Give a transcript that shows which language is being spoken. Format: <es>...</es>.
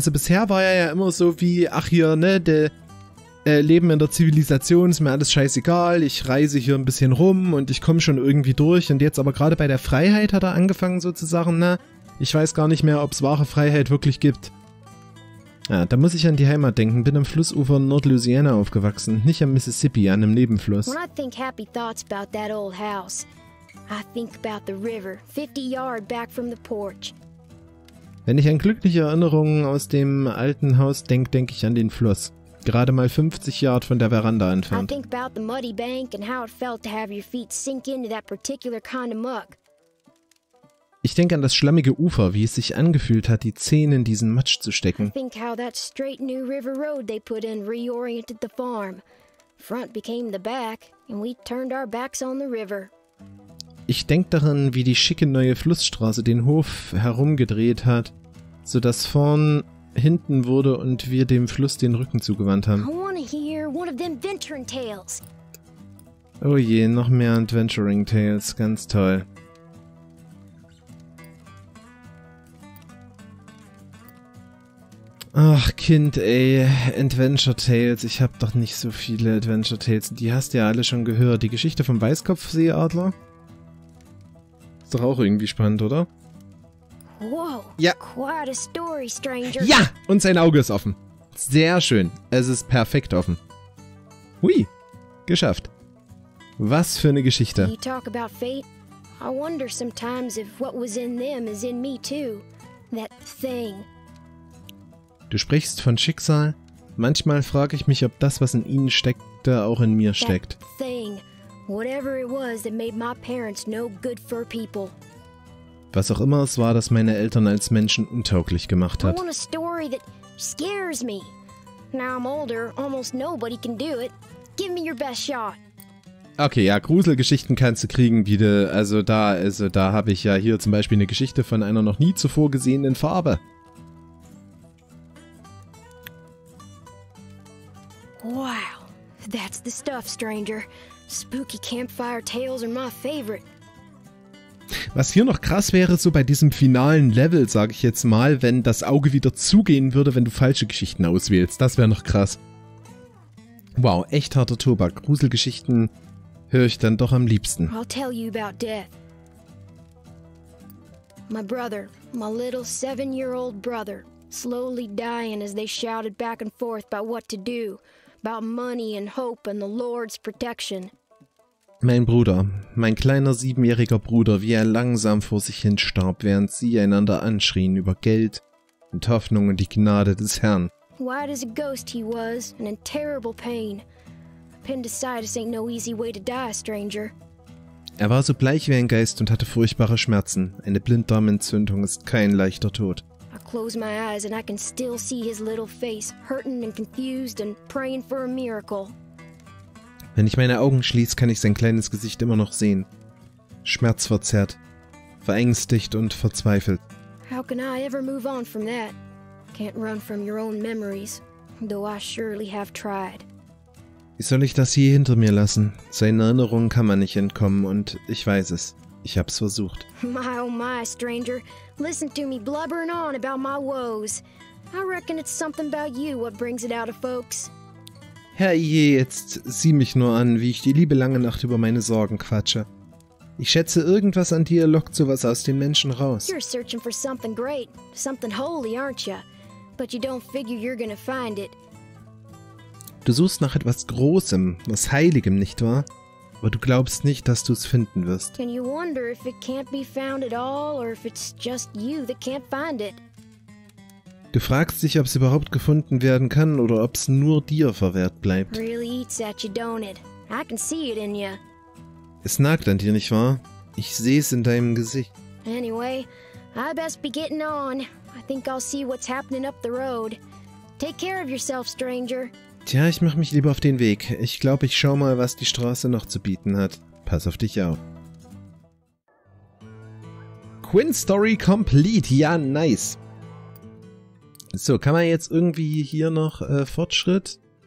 <de>Also bisher war er ja immer so wie, ach hier, ne, Leben in der Zivilisation, ist mir alles scheißegal, ich reise hier ein bisschen rum und ich komme schon irgendwie durch. Und jetzt aber gerade bei der Freiheit hat er angefangen sozusagen, ne? Ich weiß gar nicht mehr, ob es wahre Freiheit wirklich gibt. Ja, da muss ich an die Heimat denken. Bin am Flussufer Nord-Louisiana aufgewachsen, nicht am Mississippi, an einem Nebenfluss.</de> <en>When I think happy thoughts about that old house, I think about the river, 50 yard back from the porch.</en> <de>Wenn ich an glückliche Erinnerungen aus dem alten Haus denke, denke ich an den Fluss. Gerade mal 50 Yard von der Veranda entfernt.</de> <en>I think about the muddy bank and how it felt to have your feet sink into that particular kind of muck.</en> <de>Ich denke an das schlammige Ufer, wie es sich angefühlt hat, die Zehen in diesen Matsch zu stecken.</de> <en>I think how that straight new river road they put in reoriented the farm. Front became the back and we turned our backs on the river.</en> <de>Ich denke daran, wie die schicke neue Flussstraße den Hof herumgedreht hat, sodass vorn hinten wurde und wir dem Fluss den Rücken zugewandt haben.</de> <en>I wanna hear one of them venturing tales.</en> <de>Oh je, noch mehr Adventuring Tales, ganz toll. Ach, Kind, ey, Adventure Tales, ich hab doch nicht so viele Adventure Tales. Die hast du ja alle schon gehört. Die Geschichte vom Weißkopfseeadler? Ist doch auch irgendwie spannend, oder? Wow, ja.</de> <en>Quite a story, Stranger.</en> <de>Ja, und sein Auge ist offen. Sehr schön, es ist perfekt offen. Hui, geschafft. Was für eine Geschichte.</de> <en>You talk about fate? I wonder sometimes if what was in them is in me too. That thing.</en> <de>Du sprichst von Schicksal? Manchmal frage ich mich, ob das, was in ihnen steckte, auch in mir steckt.</de> <en>That thing. Whatever it was that made my parents no good for people.</en> <de>Was auch immer es war, das meine Eltern als Menschen untauglich gemacht hat.</de> <en>I want a story that scares me. Now I'm older, almost nobody can do it. Give me your best shot.</en> <de>Okay, ja, Gruselgeschichten kannst du kriegen, wie du, also da habe ich ja hier zum Beispiel eine Geschichte von einer noch nie zuvor gesehenen Farbe.</de> <en>Wow, that's the stuff, Stranger. Spooky campfire tales are my favorite.</en> <de>Was hier noch krass wäre, so bei diesem finalen Level, sag ich jetzt mal, wenn das Auge wieder zugehen würde, wenn du falsche Geschichten auswählst. Das wäre noch krass. Wow, echt harter Tobak. Gruselgeschichten höre ich dann doch am liebsten.</de> <en>I'll tell you about death. My brother, my little 7-year-old brother, slowly dying as they shouted back and forth about what to do. About money and hope and the Lord's protection.</en> <de>Mein Bruder, mein kleiner 7-jähriger Bruder, wie er langsam vor sich hin starb, während sie einander anschrien über Geld und Hoffnung und die Gnade des Herrn.</de> <en>White as a ghost he was, and in terrible pain. Appendicitis ain't no easy way to die, stranger.</en> <de>Er war so bleich wie ein Geist und hatte furchtbare Schmerzen. Eine Blinddarmentzündung ist kein leichter Tod.</de> <en>I close my eyes and I can still see his little face, hurting and confused and praying for a miracle.</en> <de>Wenn ich meine Augen schließe, kann ich sein kleines Gesicht immer noch sehen. Schmerzverzerrt, verängstigt und verzweifelt.</de> <en>How can I ever move on from that? Can't run from your own memories, though I surely have tried.</en> <de>Wie soll ich das hier hinter mir lassen? Seinen Erinnerungen kann man nicht entkommen und ich weiß es. Ich hab's versucht.</de> <en>My oh my, stranger. Listen to me blubbering on about my woes. I reckon it's something about you what brings it out of folks.</en> <de>Herrje, jetzt sieh mich nur an, wie ich die liebe lange Nacht über meine Sorgen quatsche. Ich schätze, irgendwas an dir lockt sowas aus den Menschen raus.</de> <en>You're searching for something great, something holy, aren't you? But you don't figure you're gonna find it.</en> <de>Du suchst nach etwas Großem, was Heiligem, nicht wahr? Aber du glaubst nicht, dass du es finden wirst.</de> <en>Can you wonder if it can't be found at all, or if it's just you that can't find it?</en> <de>Du fragst dich, ob es überhaupt gefunden werden kann oder ob es nur dir verwehrt bleibt.</de> <en>Really eats at you, don't it? I can see it in you.</en> <de>Es nagt an dir, nicht wahr? Ich sehe es in deinem Gesicht.</de> <en>Anyway, I best be getting on. I think I'll see what's happening up the road. Take care of yourself, stranger.</en> <de>Tja, ich mach mich lieber auf den Weg. Ich glaube, ich schau mal, was die Straße noch zu bieten hat. Pass auf dich auf.</de> <en>Quinn Story complete.</en> <de>Ja, nice. So, kann man jetzt irgendwie hier noch Fortschritt?</de>